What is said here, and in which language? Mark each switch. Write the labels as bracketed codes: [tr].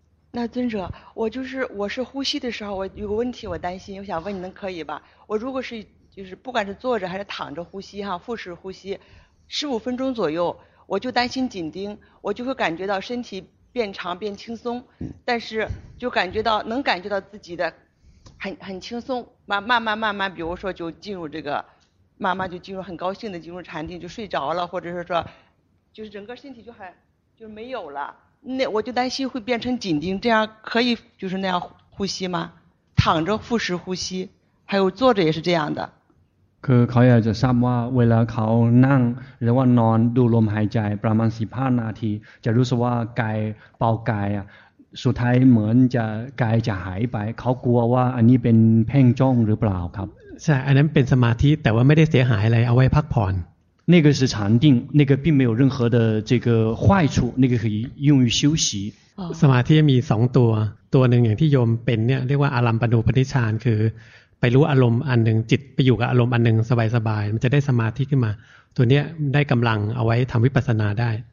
[zh] 那尊者我就是我是呼吸的时候我有个问题我担心我想问你能可以吧我如果是就是不管是坐着还是躺着呼吸哈腹式呼吸15分钟左右我就担心紧盯我就会感觉到身体变长变轻松但是就感觉到能感觉到自己的很轻松慢慢比如说就进入这个慢慢就进入很高兴的进入禅定就睡着了或者是说就是整个身体就很就没有了那我就担心会变成紧盯这样可以就是那样呼吸吗躺着腹式呼吸还有坐着也是这样的 [th] คือเขาอยากจะทราบว่าเวลาเขานั่งหรือว่านอนดูลมหายใจประมาณ15 นาทีจะรู้สึกว่ากายเบากายอ่ะสุดท้ายเหมือนจะกายจะหายไปเขากลัวว่าอันนี้เป็นเพ่งจ้องหรือเปล่าครับ ใช่อันนั้นเป็นสมาธิแต่ว่าไม่ได้เสียหายอะไรเอาไว้พักผ่อน [zh] 那个是禅定，那个并没有任何的这个坏处，那个可以用于休息。 [th] สมาธิมี2 ตัวหนึ่งอย่างที่โยมเป็นเนี่ยเรียกว่าอารัมปนูปนิชฌานคือไปรู้อารมณ์อันหนึ่งจิตไปอยู่กับอารมณ์อันหนึ่งสบายๆมันจะได้สมาธิขึ้นมาตัวเนี้ยได้กำลังเอาไว้ทำวิปัสสนาได้